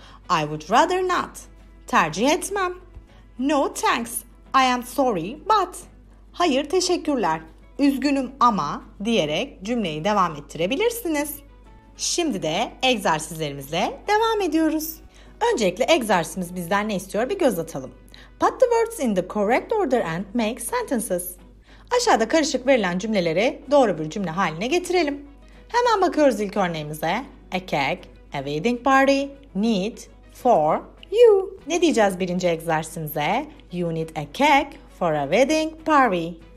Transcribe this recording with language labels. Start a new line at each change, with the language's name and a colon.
English: I would rather not.
Turkish: Tercih etmem.
English: No, thanks. I am sorry, but.
Turkish: Hayır, teşekkürler. Üzgünüm ama diyerek cümleyi devam ettirebilirsiniz. Şimdi de egzersizlerimize devam ediyoruz. Öncelikle egzersizimiz bizden ne istiyor bir göz atalım.
English: Put the words in the correct order and make sentences.
Turkish: Aşağıda karışık verilen cümleleri doğru bir cümle haline getirelim. Hemen bakıyoruz ilk örneğimize.
English: A cake, a wedding party, need for you.
Turkish: Ne diyeceğiz birinci egzersizimize?
English: You need a cake for a wedding party.